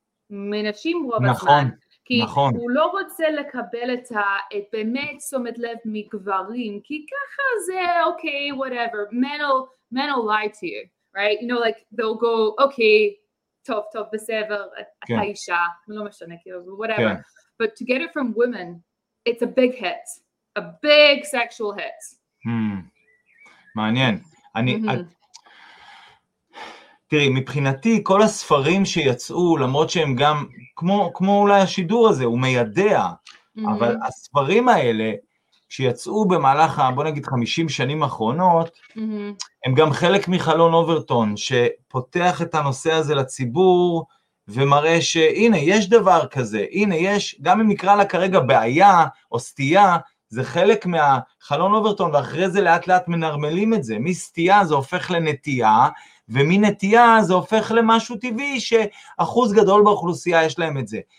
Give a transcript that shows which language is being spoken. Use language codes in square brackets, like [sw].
[he] מנשים רוב הזמן, כי הוא לא רוצה לקבל את באמת תשומת לב מגברים, כי ככה זה, [en] okay, whatever, men will lie to you, right? You know, like, they'll go, okay, [he] טוב, בסדר, אתה אישה, לא משנה, כאילו, [en] whatever. But to get it from women, it's a big hit, a big sexual hit. [he] מעניין. תראי, מבחינתי, כל הספרים שיצאו, למרות שהם גם, כמו אולי השידור הזה, הוא מיידע, אבל הספרים האלה, שיצאו במהלך, בוא נגיד, 50 שנים האחרונות, הם גם חלק מחלון אוברטון, שפותח את הנושא הזה לציבור, ומראה שהנה, יש דבר כזה, הנה, יש, גם אם נקרא לה כרגע בעיה או סטייה, זה חלק מהחלון אוברטון, ואחרי זה לאט לאט מנרמלים את זה, מסטייה זה הופך לנטייה, ומנטייה זה הופך למשהו טבעי, שאחוז גדול באוכלוסייה יש להם את זה,